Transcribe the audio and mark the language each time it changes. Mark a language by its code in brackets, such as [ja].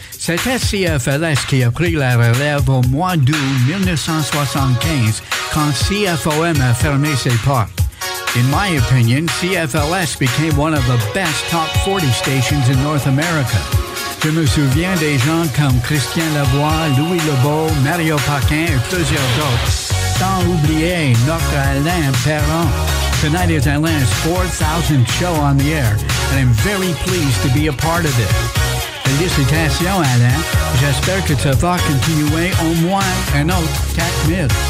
[fr] C'était CFLS qui a pris la relève au mois d'août 1975 quand CFOM a fermé ses portes. [en] In my opinion, CFLS became one of the best top 40 stations in North America. [fr] Je me souviens des gens comme Christian Lavoie, Louis Lebeau, Mario Paquin et plusieurs d'autres. Sans oublier notre Alain Perron. [en] Tonight is Alain's 4,000th show on the air, and I'm very pleased to be a part of it. [fr] Félicitations, Alain. J'espère que tu vas continuer au moins un autre 4,000.